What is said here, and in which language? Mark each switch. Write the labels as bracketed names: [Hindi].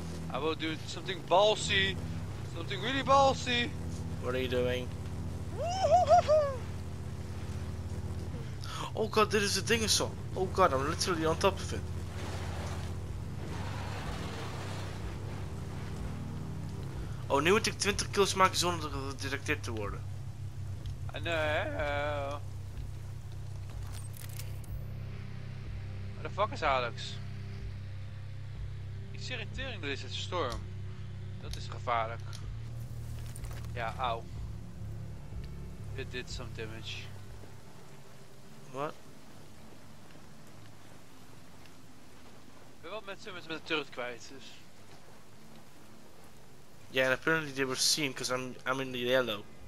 [English] I will do something ballsy. Something really ballsy. What are you doing? Oh god, this is a dinosaur. Oh god, I'm literally on top of it. [Dutch] Oh, nu moet ik 20 kills maken zonder gedetecteerd te worden. [English] I know. Where the fuck is Alex? [Dutch] Ik zie irritering door deze storm. Dat is gevaarlijk. Ja, auw. [English] It did some damage. What? [Dutch] Ik ben wel met de turret kwijt, dus. [English] Yeah, and apparently they were seen because I'm in the yellow.